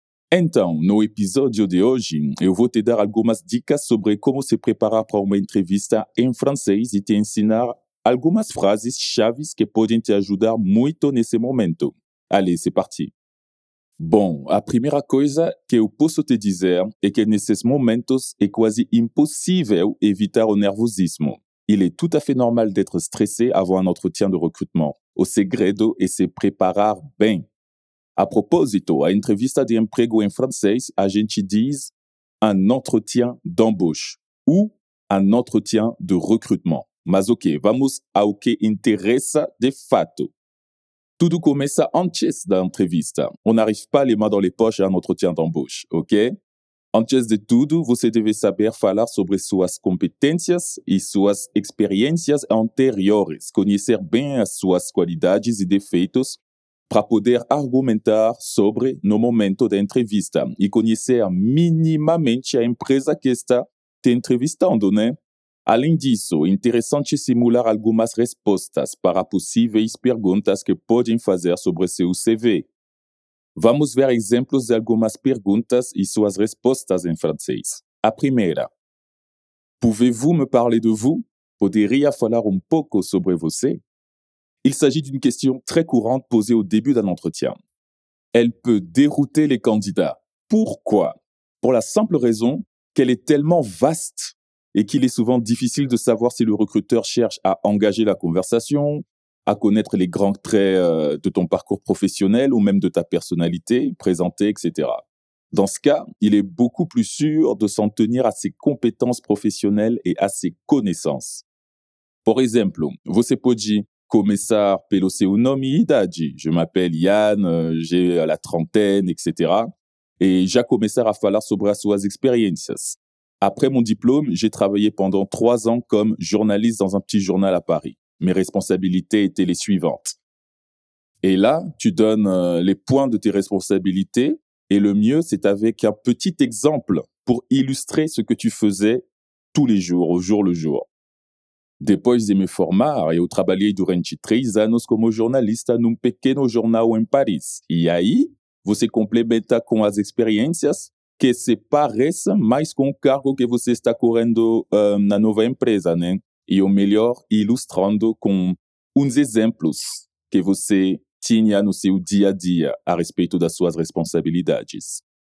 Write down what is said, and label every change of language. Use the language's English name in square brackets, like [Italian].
[Portuguese] Então, no episódio de hoje, eu vou te dar algumas dicas sobre como se preparar para uma entrevista em francês e te ensinar algumas frases-chave que podem te ajudar muito nesse momento. [French] Allez, c'est parti! [Portuguese] Bom, a primeira coisa que eu posso te dizer é que nesses momentos é quase impossível evitar o nervosismo. [French] Il est tout à fait normal d'être stressé avant un entretien de recrutement. [Portuguese] O segredo é se preparar bem. A propósito, à entrevista de emprego em francês, a gente diz [French] un entretien d'embauche ou un entretien de recrutement. [Portuguese] Mas ok, vamos ao que interessa de fato. Tudo começa antes da entrevista. [French] On n'arrive pas les mains dans les poches à un entretien d'embauche, ok? [Portuguese] Antes de tudo, você deve saber falar sobre suas competências e suas experiências anteriores, conhecer bem as suas qualidades e defeitos para poder argumentar sobre no momento da entrevista e conhecer minimamente a empresa que está te entrevistando, né? Além disso, é interessante simular algumas respostas para possíveis perguntas que podem fazer sobre seu CV. Vamos ver exemplos de algumas perguntas e suas respostas em francês. A primeira. [French] Pouvez-vous me parler de vous? [Portuguese] Poderia falar um pouco sobre você? [French] Il s'agit d'une question très courante posée au début d'un entretien. Elle peut dérouter les candidats. Pourquoi? Pour la simple raison qu'elle est tellement vaste et qu'il est souvent difficile de savoir si le recruteur cherche à engager la conversation, à connaître les grands traits de ton parcours professionnel ou même de ta personnalité présentée, etc. Dans ce cas, il est beaucoup plus sûr de s'en tenir à ses compétences professionnelles et à ses connaissances. [Portuguese] Por exemplo, você pode começar pelo seu nome e idade. [French] Je m'appelle Yann, j'ai la trentaine, etc. [Portuguese] Et já começar a falar sobre as suas experiências. [French] Après mon diplôme, j'ai travaillé pendant 3 ans comme journaliste dans un petit journal à Paris. Mes responsabilités étaient les suivantes. Et là, tu donnes les points de tes responsabilités et le mieux, c'est avec un petit exemple pour illustrer ce que tu faisais tous les jours, au jour le jour. [Portuguese] Depois de me formar, eu trabalhei durante 3 anos como jornalista num pequeno jornal em Paris. E aí, você complementa com as experiências que se parecem mais com o cargo que você está correndo na nova empresa, né? E o melhor, ilustrando com uns exemplos que você tinha no seu dia a dia a respeito das suas responsabilidades.